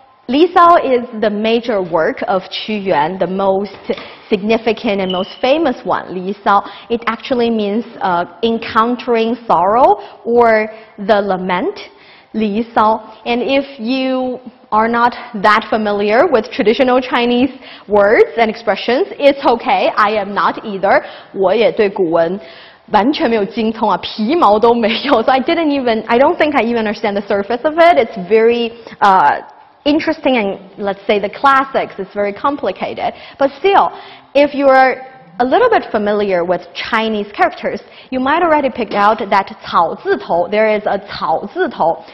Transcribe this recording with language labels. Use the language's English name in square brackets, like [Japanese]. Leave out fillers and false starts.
[English] Li Sao is the major work of Qu Yuan, the most significant and most famous one. Li Sao, it actually means encountering sorrow or the lament. Li Sao. And if you are not that familiar with traditional Chinese words and expressions, it's okay. I am not either. [Chinese] 我也对古文完全没有精通啊，皮毛都没有。 [English] So I don't think I even understand the surface of it. It's very interesting, and let's say the classics is very complicated. But still, if you're a little bit familiar with Chinese characters, you might already pick out that 草字头, there is a 草字头.